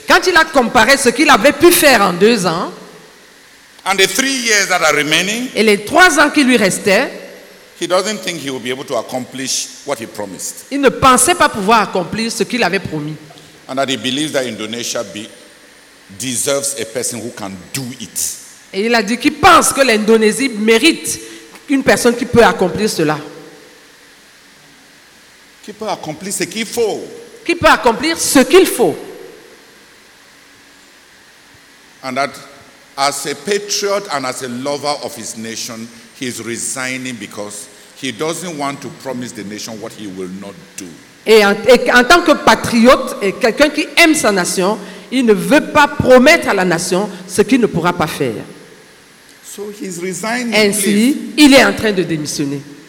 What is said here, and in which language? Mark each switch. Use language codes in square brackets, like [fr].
[fr] quand il a comparé ce qu'il avait pu faire en 2 ans, [en] and the 3 years that are remaining, [fr] et les 3 ans qui lui restaient, [en] he doesn't think he will be able to accomplish what he promised. [fr] Il ne pensait pas pouvoir accomplir ce qu'il avait promis. [en] And that he believes that Indonesia deserves a person who can do it. [fr] Et il a dit qu'il pense que l'Indonésie mérite une personne qui peut accomplir cela. Qui peut accomplir ce qu'il faut. Qui peut accomplir ce qu'il faut. [en] And that as a patriot and as a lover of his nation, he is resigning because he doesn't want to promise the nation what he will not do. [fr] Et en tant que patriote et quelqu'un qui aime sa nation, il ne veut pas promettre à la nation ce qu'il ne pourra pas faire. [en] So he's resigning. [fr] Ainsi, il est en train de démissionner.